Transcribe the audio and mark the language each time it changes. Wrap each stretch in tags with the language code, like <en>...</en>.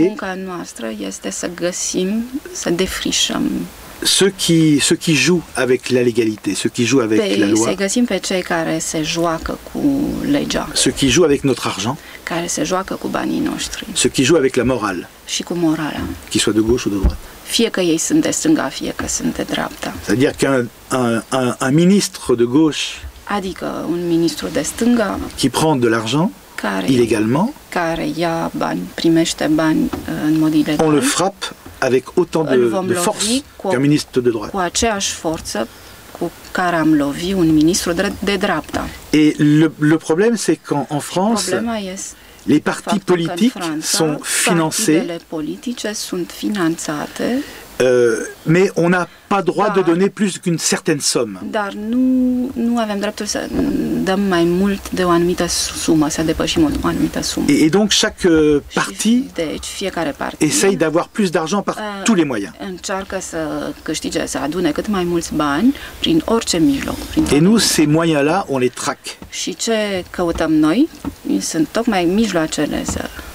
<ro>Dar munca noastră este să găsim, să défrichăm.</ro> <fr>Ceux qui jouent avec la légalité, ceux qui jouent avec la loi.</fr> <ro>Să găsim pe cei care se joacă cu legea.</ro> <fr>Ceux qui jouent avec notre argent.</fr> <ro>Care se joacă cu banii noștri.</ro> <fr>Ceux qui jouent avec la morale.</fr> <ro>Și cu morala.</ro> <fr>Qu'ils soient de gauche ou de droite.</fr> <ro>Fie că ei sunt de stânga, fie că sunt de dreapta.</ro> <fr>C'est-à-dire qu'un ministre de gauche.</fr> <ro>Adică un ministru de stânga.</ro> <fr>Qui prend de l'argent. Illégalement,</fr> <ro>care ia bani, primește bani în mod ilegal,</ro> <fr>on le frappe avec autant de force qu'un ministre de droite.</fr> <ro>Cu aceeași forță cu care am lovi un ministru de dreapta.</ro> <fr>Et le problème, c'est qu'en France, les partis politiques sont financés.</fr> <ro>Partidele politice sunt finanțate.</ro> <fr>Mais on n'a pas droit de donner plus qu'une certaine somme.</fr> <ro>Dar nu avem dreptul să dăm mai mult de o anumită sumă, să depășim o anumită sumă.</ro> <fr>Et donc chaque parti essaye d'avoir plus d'argent par tous les moyens.</fr> <ro>Încearcă să câștige, să adune cât mai mulți bani prin orice mijloc.</ro> <fr>Et nous, ces moyens-là, on les traque.</fr> <ro>Și ce căutăm noi sunt tocmai mijloacele să...</ro>